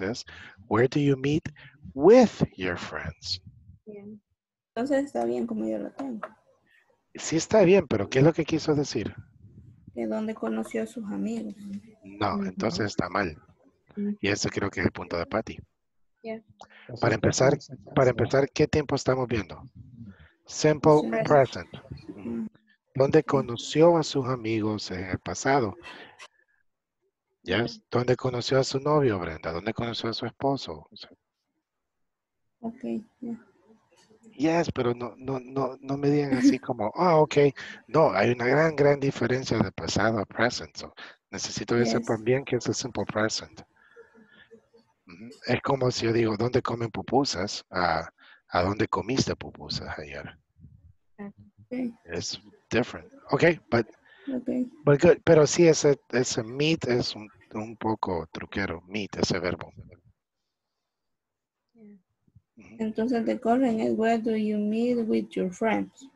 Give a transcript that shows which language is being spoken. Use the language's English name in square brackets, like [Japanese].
[English] Es, where do you meet with your friends? [Spanish] Bien. Entonces, está bien como yo lo tengo. Sí, está bien, pero ¿qué es lo que quiso decir? ¿De dónde conoció a sus amigos? No, entonces está mal. Y eso creo que es el punto de Patty. [English] Yeah. [Spanish] Para empezar, ¿qué tiempo estamos viendo? Simple present. ¿Dónde conoció a sus amigos en el pasado? Yes. ¿Dónde conoció a su novio, Brenda? ¿Dónde conoció a su esposo? [English] Okay. [Spanish] Yeah. Yes, pero no me digan así como, ah, oh, okay. No, hay una gran, gran diferencia de pasado a present. So, necesito que sepan bien que es el simple present. Es como si yo digo, ¿dónde comen pupusas? ¿A dónde comiste pupusas ayer? [English] Okay. It's different. Okay, but good. [Spanish] Pero sí, ese meet es un poco truquero. Meet, ese verbo. [English] Entonces, the question is, where do you meet with your friends?